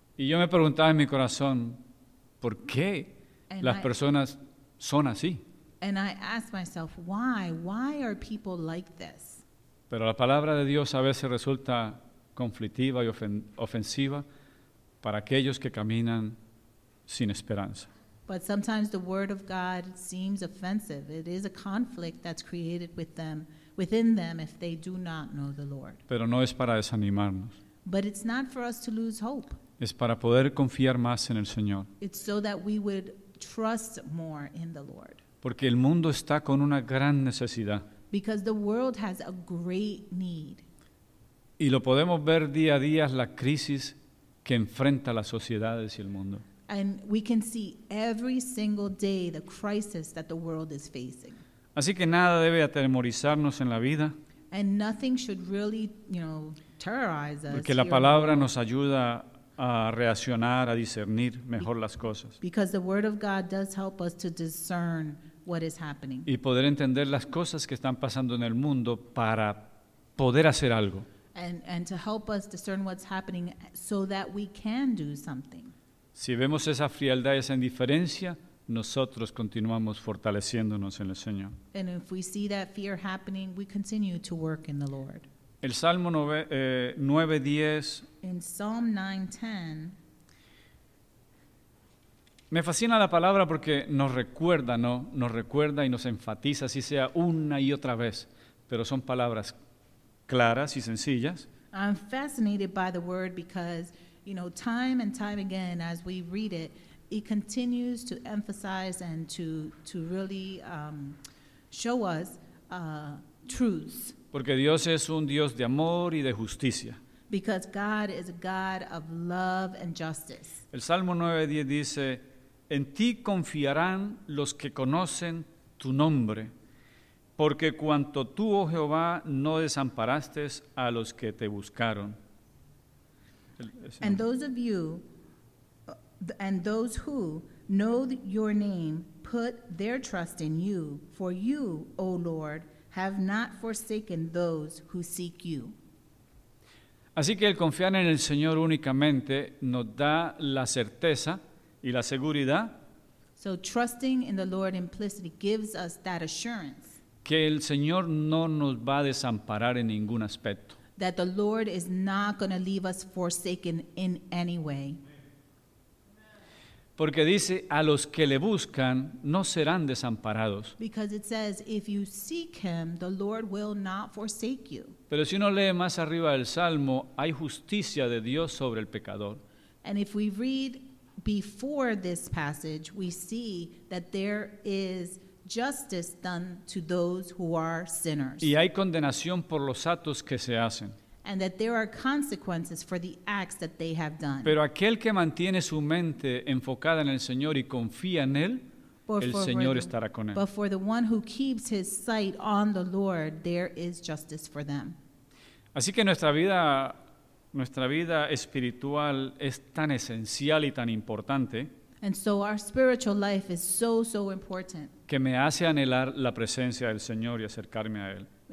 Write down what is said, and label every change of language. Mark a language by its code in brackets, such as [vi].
[es] Y yo me preguntaba en mi corazón, ¿por qué las personas son así? [en] And I asked myself, why? Why are people like this? [es] Pero la palabra de Dios a veces resulta conflictiva y ofensiva para aquellos que caminan sin esperanza. [en] But sometimes the word of God seems offensive. It is a conflict that's created with them, within them, if they do not know the Lord. [es] Pero no es para desanimarnos. [en] But it's not for us to lose hope. [es] Es para poder confiar más en el Señor. [en] It's so that we would trust more in the Lord. [es] Porque el mundo está con una gran necesidad. [en] Because the world has a great need. [es] Y lo podemos ver día a día la crisis que enfrenta las sociedades y el mundo. [en] And we can see every single day the crisis that the world is facing. [es] Así que nada debe atemorizarnos en la vida. [en] And nothing should really, you know, terrorize us. [es] Porque la palabra nos ayuda a reaccionar, a discernir mejor las cosas. [en] Because the word of God does help us to discern what is happening. [es] Y poder entender las cosas que están pasando en el mundo para poder hacer algo. [en] And to help us discern what's happening so that we can do something. [es] Si vemos esa frialdad y esa indiferencia, nosotros continuamos fortaleciéndonos en el Señor. [en] And if we see that fear happening, we continue to work in the Lord. [es] El Salmo 9:10. [en] In Psalm 9:10. [es] Me fascina la palabra porque nos recuerda, ¿no? Nos recuerda y nos enfatiza, así sea una y otra vez. Pero son palabras claras y sencillas. [en] I'm fascinated by the word because, you know, time and time again as we read it, it continues to emphasize and to really show us truths. [es] Porque Dios es un Dios de amor y de justicia. [en] Because God is a God of love and justice. [es] El Salmo 9:10 dice, en ti confiarán los que conocen tu nombre, porque cuanto tú, oh Jehová, no desamparaste a los que te buscaron. [en] And those of you and those who know your name put their trust in you, for you, O Lord, have not forsaken those who seek you. [es] Así que el confiar en el Señor únicamente nos da la certeza y la seguridad. [en] So trusting in the Lord implicitly gives us that assurance. [es] Que el Señor no nos va a desamparar en ningún aspecto. [en] That the Lord is not going to leave us forsaken in any way. [es] Porque dice, a los que le buscan no serán desamparados. [en] Because it says, if you seek him, the Lord will not forsake you. [es] Pero si uno lee más arriba del Salmo, hay justicia de Dios sobre el pecador. [en] And if we read before this passage, we see that there is justice done to those who are sinners. [es] Y hay condenación por los actos que se hacen. [en] And that there are consequences for the acts that they have done. [es] Pero aquel que mantiene su mente enfocada en el Señor y confía en él, el Señor estará con él. [en] But for the one who keeps his sight on the Lord, there is justice for them. [es] Así que nuestra vida espiritual es tan esencial y tan importante. [en] And so our spiritual life is so important. [es] Que me hace anhelar la presencia del Señor y acercarme a él.